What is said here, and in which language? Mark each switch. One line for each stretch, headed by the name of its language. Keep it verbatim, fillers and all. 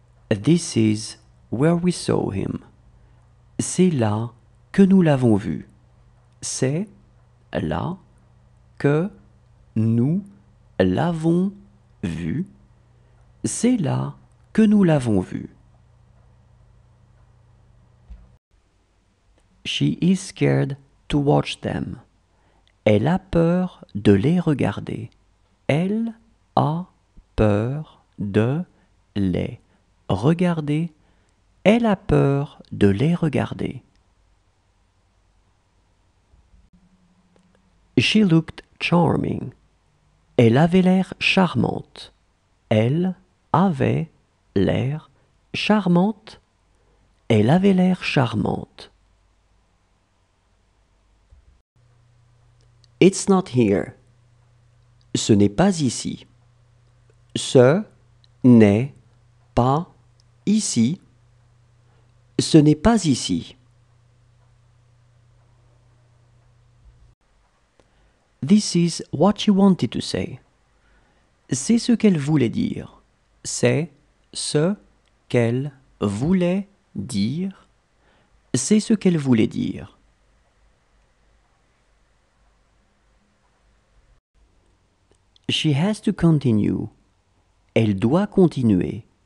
English: This is where we saw him.
French: C'est là que nous l'avons vu. C'est là que nous l'avons vu. C'est là que nous l'avons vu.
English: She is scared to watch them.
French: Elle a peur de les regarder. Elle a peur de les regarder. Elle a peur de les regarder.
English: She looked charming.
French: Elle avait l'air charmante. Elle avait l'air charmante. Elle avait l'air charmante.
English: It's not here.
French: Ce n'est pas ici. Ce n'est pas ici. Ce n'est pas ici.
English: This is what she wanted to say.
French: C'est ce qu'elle voulait dire. C'est ce qu'elle voulait dire. C'est ce qu'elle voulait dire.
English: She has to continue.
French: Elle doit continuer.